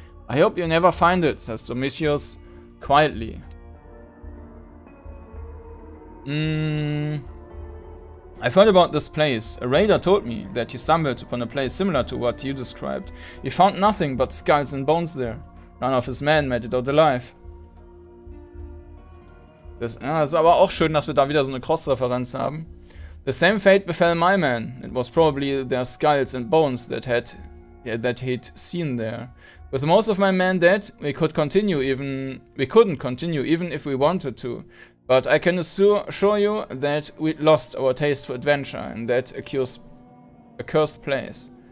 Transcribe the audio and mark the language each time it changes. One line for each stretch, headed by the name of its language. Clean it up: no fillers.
English: I hope you never find it, says Domitius, quietly. I've heard about this place. A raider told me that he stumbled upon a place similar to what you described. He found nothing but skulls and bones there. None of his men made it out alive.
German: Das ist aber auch schön, dass wir da wieder so eine Cross-Referenz haben.
English: The same fate befell my men. It was probably their skulls and bones that he'd seen there. With most of my men dead, we couldn't continue even if we wanted to. But I can assure you that we lost our taste for adventure in that accursed place.